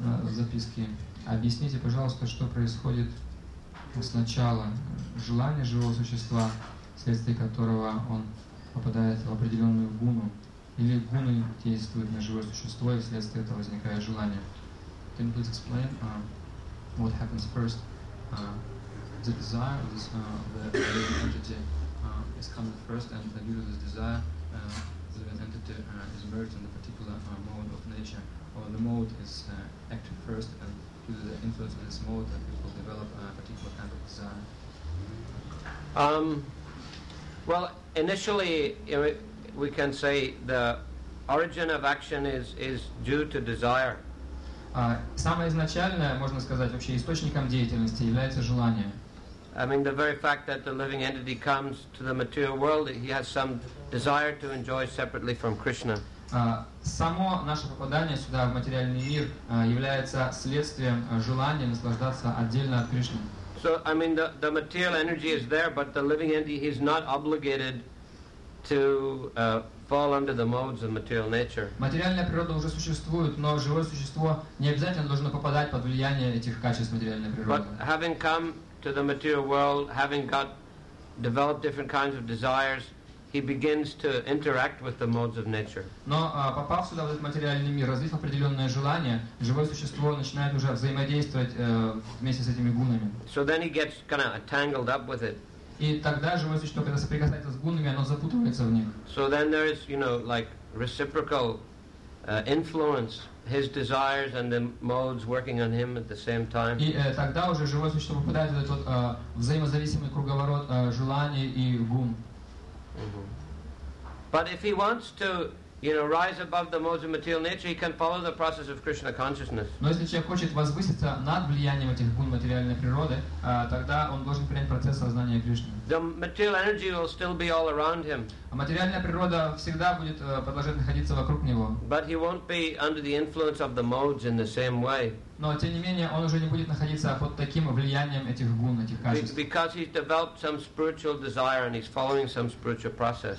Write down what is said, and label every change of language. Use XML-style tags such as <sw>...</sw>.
<ru>Записки. Объясните, пожалуйста, что происходит сначала желание живого существа, вследствие которого он попадает в определенную гуну, или гуны действуют на живое существо, и вследствие этого возникает желание.</ru> <en>Can you please explain what happens first? The desire of this the living entity is coming first, and the due to this desire, the living entity is merged in a particular mode of nature. Or the mode is active first, and due to the influence of this mode, that people develop a particular kind of desire. Well, initially, we can say the origin of action is due to desire.</en> <ru>Самое изначальное, можно сказать, вообще источником деятельности является желание.</ru> <en>I mean, the very fact that the living entity comes to the material world, he has some desire to enjoy separately from Krishna.</en> <ru>Само наше попадание сюда, в материальный мир, является следствием желания наслаждаться отдельно от Кришны.</ru> <en>So, I mean, the material energy is there, but the living entity, he's not obligated to fall under the modes of material nature.</en> <ru>Материальная природа уже существует, но живое существо не обязательно должно попадать под влияние этих качеств материальной природы.</ru> <en>But having come to the material world, having got developed different kinds of desires, he begins to interact with the modes of nature.</en> <ru>Но попав сюда в этот материальный мир, развив определенное желание, живое существо начинает уже взаимодействовать вместе с этими гунами.</ru> <en>So then he gets kind of tangled up with it.</en> <ru>И тогда живое существо, когда соприкасается с гунами, оно запутывается в них.</ru> <en>So then there is, you know, like reciprocal influence, his desires and the modes working on him at the same time.</en> <ru>И тогда уже живое существо попадает в этот вот взаимозависимый круговорот желаний и гун. Mm-hmm.</ru> <en>But if he wants to, you know, rise above the modes of material nature, he can follow the process of Krishna consciousness.</en> <ru>Но если человек хочет возвыситься над влиянием этих гун материальной природы, тогда он должен принять процесс сознания Кришны.</ru> <en>The material energy will still be all around him.</en> <ru>А материальная природа всегда будет продолжать находиться вокруг него.</ru> <en>But he won't be under the influence of the modes in the same way.</en> <ru>Но тем не менее он уже не будет находиться под таким влиянием этих гун, этих качеств.</ru> <en>Because he's developed some spiritual desire and he's following some spiritual process.</en>